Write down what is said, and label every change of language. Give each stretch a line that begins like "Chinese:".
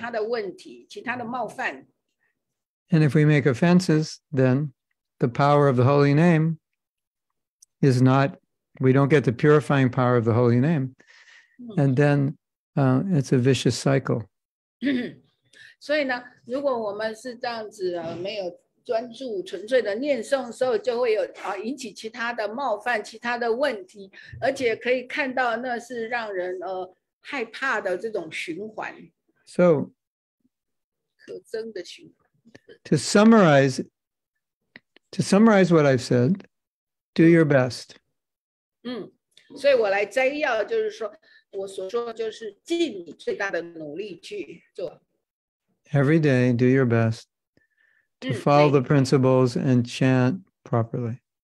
Chinese: 这个问题可能你会看到，就是说没有恰当纯粹的念诵，就会引起其他的问题，其他的冒犯。
English: And if we make offenses, then the power of the holy name is not, we don't get the purifying power of the holy name. And then it's a vicious cycle.
Chinese: 所以呢，如果我们是这样子没有专注纯粹的念诵的时候，就会有引起其他的冒犯、其他的问题，而且可以看到那是让人害怕的这种循环。
English: So,
Chinese: 可憎的循环。
English: To summarize what I've said, do your best.
Chinese: 所以我来摘要，就是说。我所说就是尽你最大的努力去做。
English: Every day, do your best to follow the principles and chant properly.